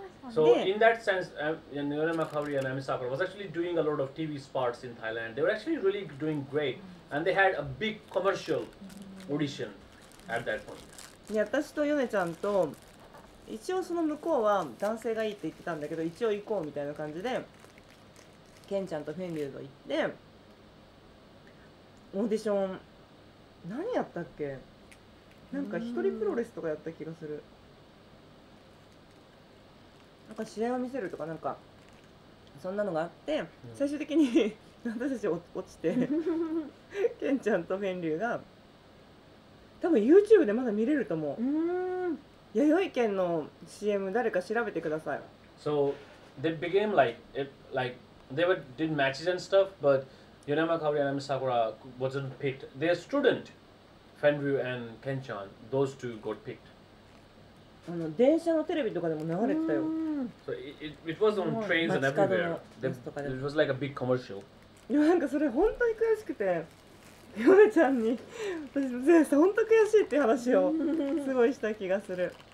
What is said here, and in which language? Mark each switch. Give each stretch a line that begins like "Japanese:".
English: So in that sense, Nirmala Makhawri and Ami Sakhar was actually doing a lot of TV spots in Thailand. They were actually really doing great. And they had a big commercial audition at that point.
Japanese: Yeah, 私とヨネちゃんと一応その向こうは男性がいいって言ってたんだけど、一応行こうみたいな感じでケンちゃんとフェンリューと行ってオーディション、何やったっけ、なんか一人プロレスとかやった気がする。なんか試合を見せるとか、なんかそんなのがあって、最終的に私たち落ちて、ケンちゃんとフェンリューが、多分 YouTube でまだ見れると思う。うーん、弥生県の CM 誰か調べてください。
English: So they became like they were did matches and stuff, but Yonema Kaori and Ami Sakura wasn't picked. Their student, Fen Ryu and Ken Chan, those two got picked.
Japanese: あの電車のテレビとかでも流れてたよ。
English: So it was on trains and everywhere. It was like a big commercial.
Japanese: いや、なんかそれ本当に悔しくて、ヨネちゃんに私本当に悔しいっていう話をすごいした気がする。